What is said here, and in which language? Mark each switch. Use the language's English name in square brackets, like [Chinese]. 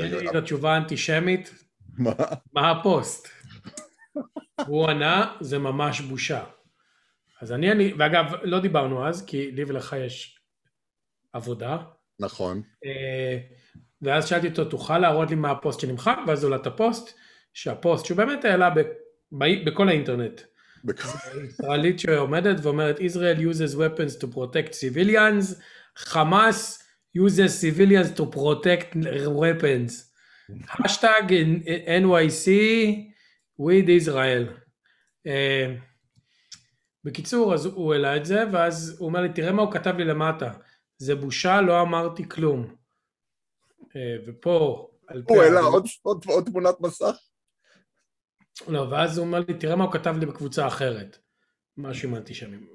[Hebrew] אני אגיד את התשובה האנטישמית. מה? מה הפוסט? הוא ענה, זה ממש בושה. אז אני, ואגב, לא דיברנו אז, כי לי ולך יש עבודה. נכון. ואז שאלתי אותו, תוכל להראות לי מה הפוסט שנמחק? ואז עולה את הפוסט, שהפוסט, שהוא באמת העלה בכל האינטרנט, ישראלית שעומדת ואומרת [English] Israel uses weapons to protect civilians, [Hebrew] חמאס [English] uses civilians to protect weapons, hashtag NYC with Israel. [Hebrew] בקיצור, אז הוא העלה את זה, ואז הוא אומר לי, תראה מה הוא כתב לי למטה. זה בושה, לא אמרתי כלום. ופה, על פי... הוא העלה עוד תמונת מסך? לא, ואז הוא אומר לי, תראה מה הוא כתב לי בקבוצה אחרת. משהו עם אנטישמים.